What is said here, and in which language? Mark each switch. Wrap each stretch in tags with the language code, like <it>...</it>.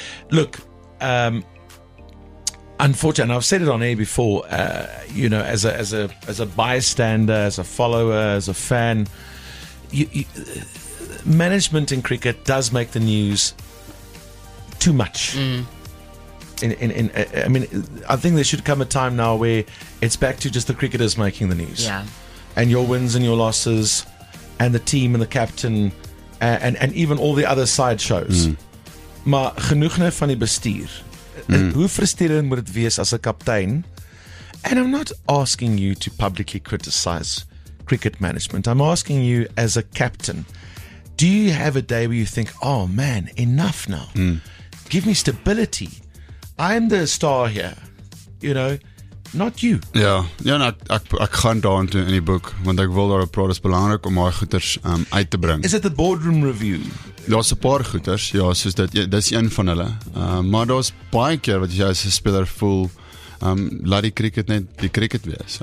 <en>Look, unfortunately, and I've said it on air before, you know, as a bystander, as a follower, as a fan, management in cricket does make the news too much. I mean, I think there should come a time now where it's back to just the cricketers making the news. Yeah. And your wins and your losses and the team and the captain and even all the other side shows.</en> <af>Maar genoeg nou van die bestuur. Hoe frustrerend moet het wees as 'n kaptein?</af> <en>And I'm not asking you to publicly criticize cricket management. I'm asking you as a captain, do you have a day where you think, oh man, enough now. Give me stability. I'm the star here. You know, not you.</en> <af>Ja, ja, en ek gaan daar toe in die boek, want ek wil daar op praat, is belangrik om my goeders uit te bring.</af> <en>Is it the boardroom review?</en> <af>Daar is een paar goeders, ja, soos dit, ja, dit is een van hulle. Maar daar is baie keer wat jy as een speler voel, laat die cricket net die cricket wees.</af>